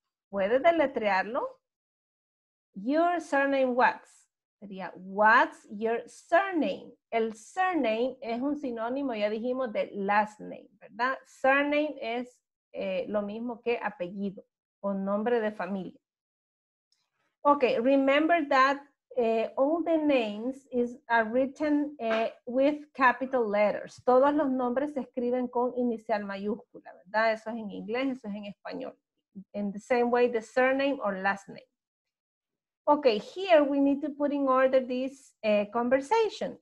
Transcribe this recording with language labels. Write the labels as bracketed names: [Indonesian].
[Spanish] ¿Puede deletrearlo? [English] Your surname, what's? [Spanish] Sería, [English] what's your surname? [Spanish] El surname es un sinónimo, ya dijimos, de last name, ¿verdad? Surname es lo mismo que apellido o nombre de familia. [English] Ok, remember that all the names are written with capital letters. [Spanish] Todos los nombres se escriben con inicial mayúscula, ¿verdad? Eso es en inglés, eso es en español. [English] In the same way, the surname or last name. Okay, here we need to put in order this conversation.